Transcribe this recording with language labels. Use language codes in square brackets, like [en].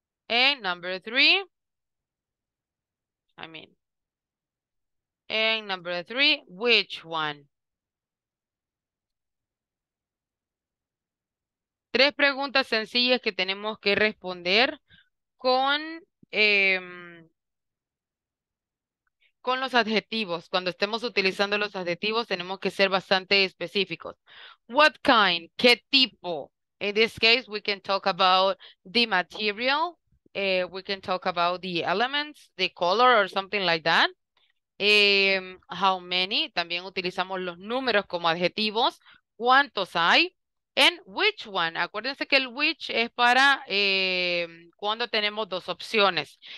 [en] And number three, and number three, which one? [es] Tres preguntas sencillas que tenemos que responder con los adjetivos. Cuando estemos utilizando los adjetivos, tenemos que ser bastante específicos. [en] What kind? [es] ¿Qué tipo? [en] In this case, we can talk about the material. We can talk about the elements, the color, or something like that. How many? [es] También utilizamos los números como adjetivos. ¿Cuántos hay? [en] And which one? [es] Acuérdense que el which es para cuando tenemos dos opciones.